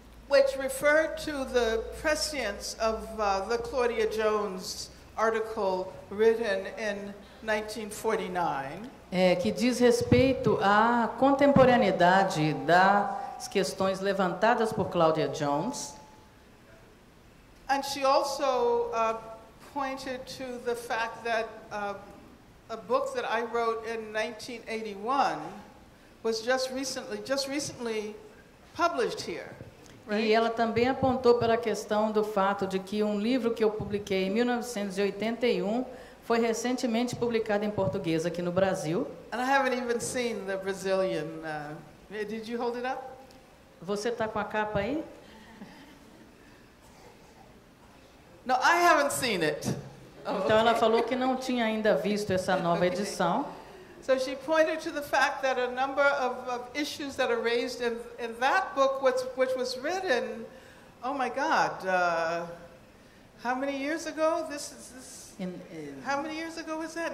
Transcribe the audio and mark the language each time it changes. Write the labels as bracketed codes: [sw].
[en] Which referred to the prescience of the Claudia Jones article written in 1949. [pt] Que diz respeito à contemporaneidade da as questões levantadas por Claudia Jones. [en] And she also pointed to the fact that a book that I wrote in 1981 was just recently published here. Right? [pt] E ela também apontou para a questão do fato de que um livro que eu publiquei em 1981 foi recentemente publicado em português aqui no Brasil. [en] And I haven't even seen the Brazilian. Did you hold it up? [pt] Você está com a capa aí? [en] No, I haven't seen it. [pt] Então ela falou que não tinha ainda visto essa nova edição. [en] So she pointed to the fact that a number of issues that are raised in that book, which was written, oh my God, how many years ago? This is how many years ago was that?